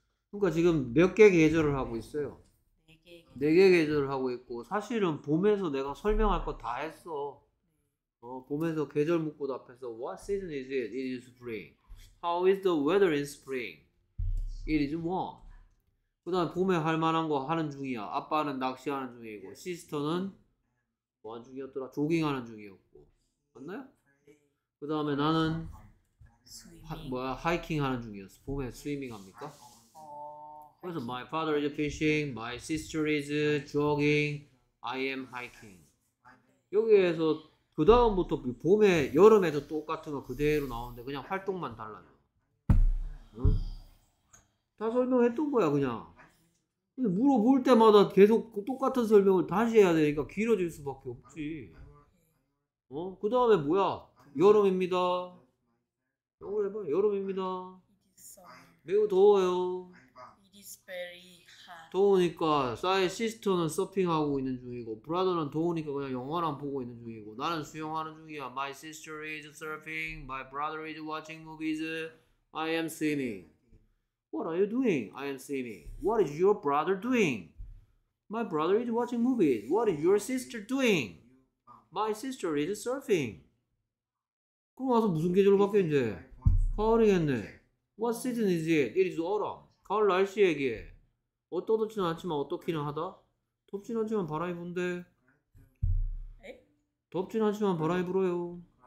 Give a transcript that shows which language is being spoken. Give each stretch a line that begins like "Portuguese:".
Korean: 그러니까 지금 몇 개 계절을 하고 있어요? 네 개 계절을 하고 있고 사실은 봄에서 내가 설명할 거 다 했어. 봄에서 계절 묻고 답해서
English: What season is it? It is spring. How is the weather in spring? It is warm.
Korean: 그 다음에 봄에 할 만한 거 하는 중이야. 아빠는 낚시하는 중이고 시스터는 뭐 하는 중이었더라? 조깅하는 중이었고 맞나요? 그 다음에 나는 뭐야 하이킹 하는 중이었어. 봄에 스위밍 합니까? 그래서
English: my father is fishing, my sister is jogging, I am hiking.
Korean: 여기에서 그 다음부터 봄에 여름에도 똑같은 거 그대로 나오는데 그냥 활동만 달라져. 다 설명했던 거야 그냥. 근데 물어볼 때마다 계속 똑같은 설명을 다시 해야 되니까 길어질 수밖에 없지. 그 다음에 뭐야? 여름입니다. 영어 해봐. 여름입니다. 매우 더워요.
English: Very hot.
Korean: 더우니까 싸의 시스터는 서핑하고 있는 중이고 브라더는 더우니까 그냥 영화랑 보고 있는 중이고 나는 수영하는 중이야.
English: My sister is surfing. My brother is watching movies. I am swimming. What are you doing? I am swimming. What is your brother doing? My brother is watching movies. What is your sister doing? My sister is surfing.
Korean: 그럼 와서 무슨 계절로 바뀌었는데? 가을이겠네.
English: What season is it? It is autumn.
Korean: 가을 날씨 얘기해. 어떠듯지는 않지만 어떻기는 하다? 덥진 않지만 바람이 분대. 에? 덥진 않지만 바람이 불어요.